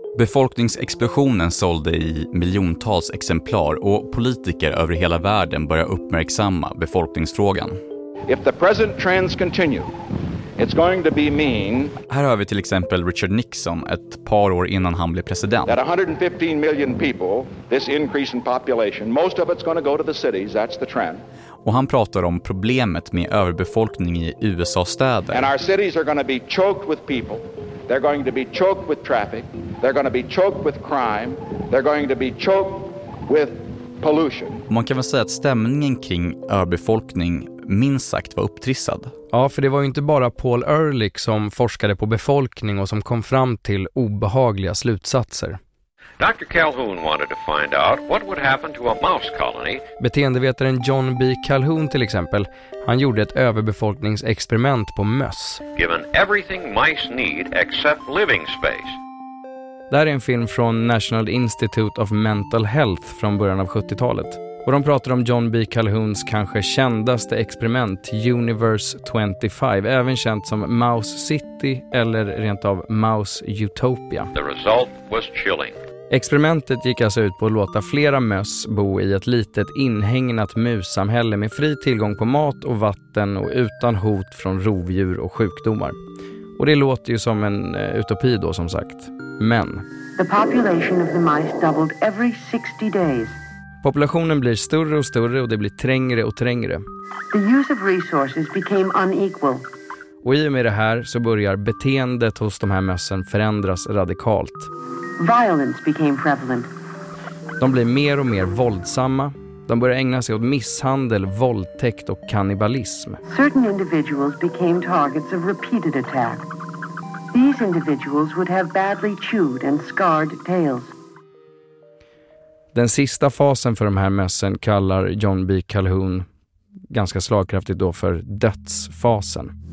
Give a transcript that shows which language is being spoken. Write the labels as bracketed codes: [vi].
[sv] Befolkningsexplosionen sålde i miljontals exemplar och politiker över hela världen börjar uppmärksamma befolkningsfrågan. [en] If the present trends continue, it's going to be mean. [sv] Här har vi till exempel Richard Nixon ett par år innan han blev president. [en] That 115 million people, this increase in population, most of it's going to go to the cities, that's the trend. [sv] Och han pratar om problemet med överbefolkning i USA-städer. [en] And our cities are going to be choked with people. They're going to be choked with traffic. They're going to be choked with crime. They're going to be choked with pollution. [sv] Man kan väl säga att stämningen kring överbefolkning minst sagt var upptrissad. Ja, för det var ju inte bara Paul Ehrlich som forskade på befolkning och som kom fram till obehagliga slutsatser. [en] Dr. Calhoun wanted to find out what would happen to a mouse colony. [sv] Beteendevetaren John B. Calhoun till exempel, han gjorde ett överbefolkningsexperiment på möss. [en] Given everything mice need except living space. [sv] Där är en film från National Institute of Mental Health från början av 70-talet. Och de pratar om John B. Calhouns kanske kändaste experiment, Universe 25, även känt som Mouse City eller rent av Mouse Utopia. [en] The result was chilling. [sv] Experimentet gick alltså ut på att låta flera möss bo i ett litet inhägnat mussamhälle med fri tillgång på mat och vatten och utan hot från rovdjur och sjukdomar. Och det låter ju som en utopi då, som sagt. Men [en] the population of the mice doubled every 60 days. [sv] Populationen blir större och större och det blir trängre och trängre. [en] The use of resources became unequal. [sv] Och i och med det här så börjar beteendet hos de här mössen förändras radikalt. [en] Violence became prevalent. [sv] De blir mer och mer våldsamma. De börjar ägna sig åt misshandel, våldtäkt och kannibalism. [en] Certain individuals became targets of repeated attack. These individuals would have badly chewed and scarred tails. [sv] Den sista fasen för de här mössen kallar John B. Calhoun ganska slagkraftigt då för dödsfasen.